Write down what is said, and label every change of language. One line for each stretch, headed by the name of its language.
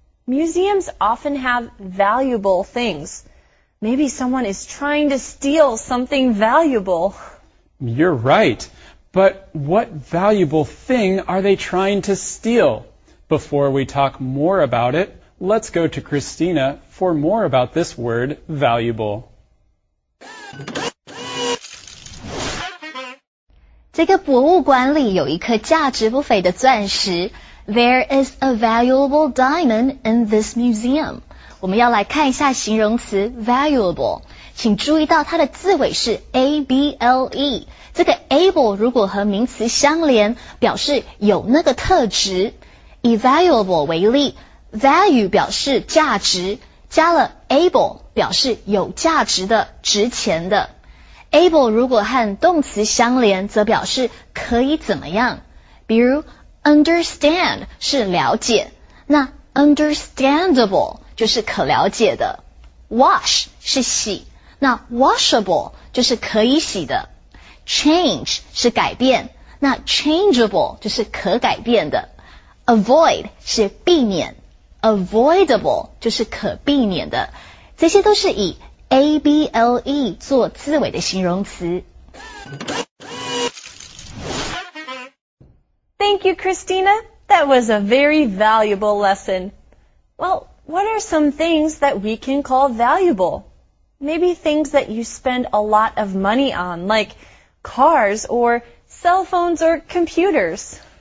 English: Museums often have valuable things. Maybe someone is trying to steal something valuable. You're right. But what valuable thing are they trying to steal? Before we talk more about it, let's go to Christina for more about this word, valuable.
Chinese: 这个博物馆里有一颗价值不菲的钻石。
English: There is a valuable diamond in this museum.
Chinese: 我们要来看一下形容词 valuable。请注意到它的字尾是 able。这个 able 如果和名词相连，表示有那个特质。以 valuable 为例 ，value 表示价值，加了 able 表示有价值的、值钱的。 able 如果和动词相连，则表示可以怎么样。比如 understand 是了解，那 understandable 就是可了解的。 wash 是洗，那 washable 就是可以洗的。 change 是改变，那 changeable 就是可改变的。 avoid 是避免 ，avoidable 就是可避免的，这些都是以 able 做字尾的形容词。
English: Thank you, Christina. That was a very valuable lesson. Well, what are some things that we can call valuable? Maybe things that you spend a lot of money on, like cars or cell phones or computers.